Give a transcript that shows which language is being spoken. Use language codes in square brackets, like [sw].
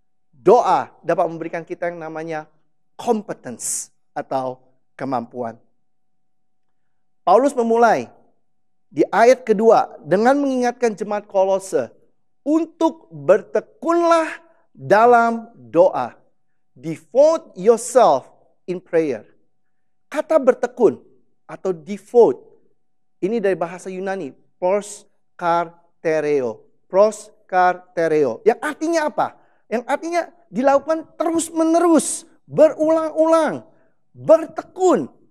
[id] Doa dapat memberikan kita yang namanya competence atau kemampuan. Paulus memulai di ayat kedua dengan mengingatkan jemaat Kolose untuk bertekunlah dalam doa. [en] Devote yourself in prayer. [id] Kata bertekun atau devote ini dari bahasa Yunani, proskartereo. Proskartereo. Yang artinya apa? Yang artinya dilakukan terus-menerus, berulang-ulang, bertekun.